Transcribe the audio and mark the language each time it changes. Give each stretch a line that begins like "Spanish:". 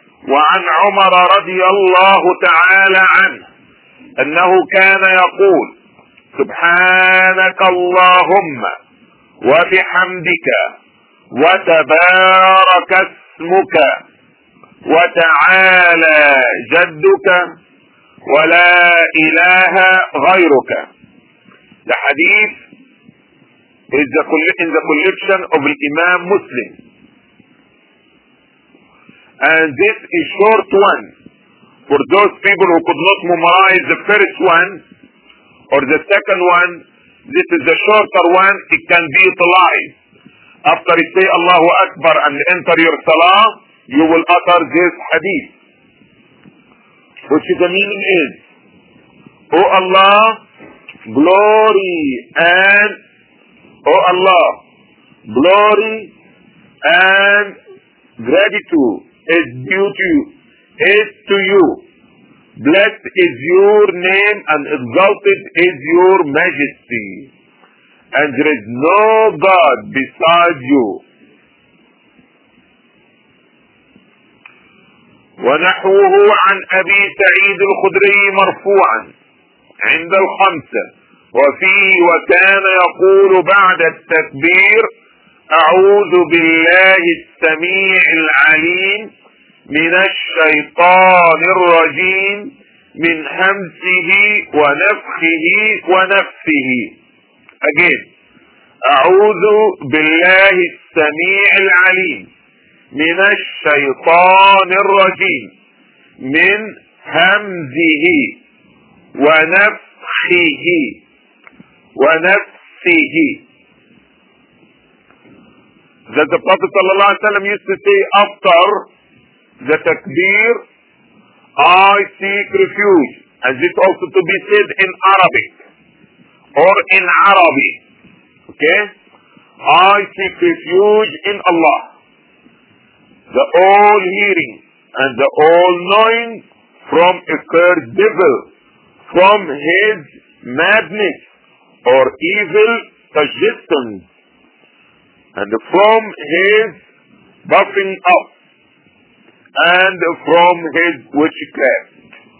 Arabic: وعن عمر رضي الله تعالى عنه انه كان يقول سبحانك اللهم وبحمدك وتبارك اسمك وتعالى جدك ولا اله غيرك.
English: The hadith is in the collection of Imam Muslim. And this is short one. For those people who could not memorize the first one or the second one, this is the shorter one. It can be utilized. After you say Allahu Akbar and enter your salah, you will utter this hadith. Which is the meaning is, O Allah, glory and, O Allah, glory and gratitude is due to you, is to you. Blessed is your name and exalted is your majesty. And there is no God beside you.
Arabic: ونحوه عن أبي سعيد الخدري مرفوعا عند الخمسة وفيه وكان يقول بعد التكبير أعوذ بالله السميع العليم من الشيطان الرجيم من همسه ونفخه ونفثه. Again, أعوذ بالله السميع العليم من الشيطان الرجيم من همزه ونفخه ونفسه.
English: That the Prophet
Arabic: صلى الله عليه وسلم
English: used to say after the takbir, I seek refuge. As it also to be said in Arabic or in Arabic. Okay? I seek refuge in Allah, the all-hearing and the all-knowing, from a cursed devil, from his madness or evil suggestions, and from his buffing up, and from his witchcraft.